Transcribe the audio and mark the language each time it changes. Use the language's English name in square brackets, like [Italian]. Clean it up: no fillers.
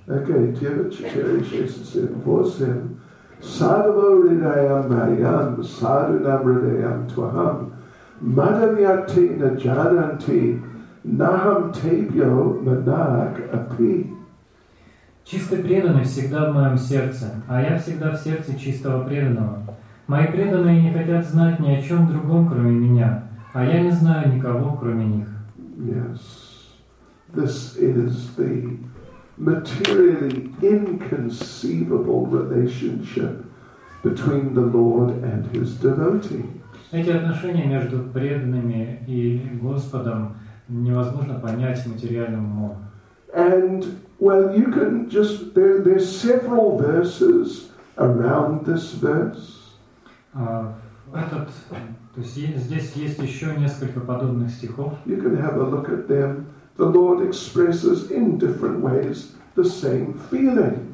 [English] Okay, Devachitari said, [Sanskrit] Vosem, Sadhavo Ridayam Mayam, Sadhunam Ridayam Tvaham, Madhavyakti Najananti, Naham Tebyo Manak Api. [Russian] Чистый преданный всегда в моем сердце, а я всегда в сердце чистого преданного. Мои преданные не хотят знать ни о чем другом, кроме меня, а я не знаю никого, кроме них. [English] Yes, this is the materially inconceivable relationship between the Lord and his devotees. [Russian] Эти отношения между преданными и Господом невозможно понять материальным умом. [English] And well, you can just there's several verses around this verse. [Russian] То есть здесь есть еще несколько подобных стихов. [English] You can have a look at them. The Lord expresses in different ways the same feeling.